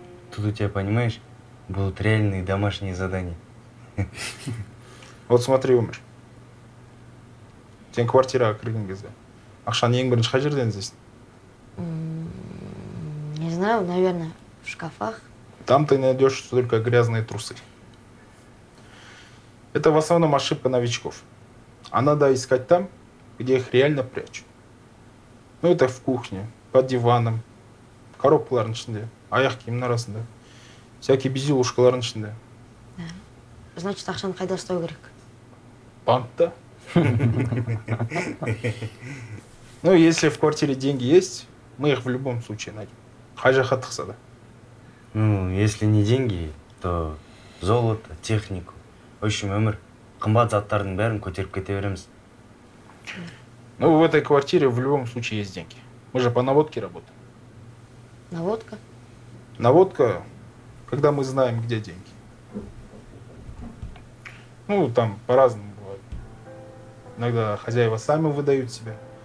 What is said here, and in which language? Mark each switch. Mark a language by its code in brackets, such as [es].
[ru] Тут у тебя, понимаешь, будут реальные домашние задания. Вот смотри, Омар. [kk] Сен квартираға кірген кезде. Ақшаны ең бірінші қай жерден іздейсің? [ru] Не знаю, наверное, в шкафах. Там ты найдешь только грязные трусы. Это в основном ошибка новичков. А надо искать там, где их реально прячут. Ну, это в кухне, под диваном, коробка [kk] ларнышында, аяқ киімнің арасында, [ru] всякие безделушки [kk] ларнышында. [ru] Да. Значит, [kk] ақшаны қайда ұстау керек? Банкта. [ru] Ну, если в квартире деньги есть, мы их в любом случае найдем. [kk] Қай жаққа тықса да. [ru] Ну, если не деньги, то золото, технику. В общем, [kk] Омар, қымбат заттардың бәрін көтеріп кете береміз. [ru] Ну, в этой квартире в любом случае есть деньги. Мы же по наводке работаем. Наводка? Наводка, когда мы знаем, где деньги. Ну, там по-разному бывает. Иногда хозяева сами выдают себя.